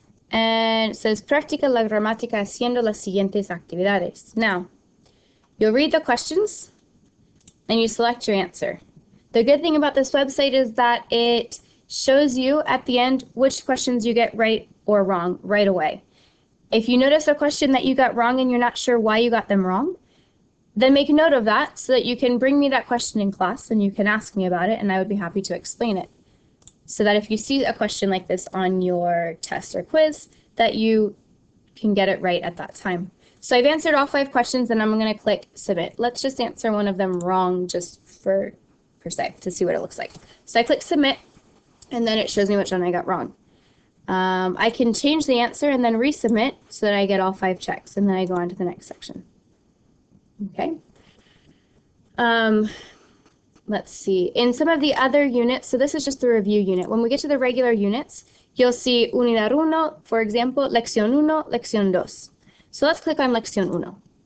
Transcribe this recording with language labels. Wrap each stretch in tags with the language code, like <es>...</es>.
<en>And it says,</en> <es>practica la gramática haciendo las siguientes actividades.</es> <en>Now, you'll read the questions and you select your answer. The good thing about this website is that it shows you at the end which questions you get right or wrong right away. If you notice a question that you got wrong and you're not sure why you got them wrong, then make a note of that so that you can bring me that question in class and you can ask me about it and I would be happy to explain it. So that if you see a question like this on your test or quiz, that you can get it right at that time. So I've answered all 5 questions and I'm going to click submit. Let's just answer one of them wrong just per se to see what it looks like. So I click submit and then it shows me which one I got wrong. I can change the answer and then resubmit so that I get all 5 checks and then I go on to the next section. Okay. Let's see. In some of the other units, so this is just the review unit. When we get to the regular units, you'll see unidad uno, for example, lección uno, lección dos. So let's click on lección uno.</en>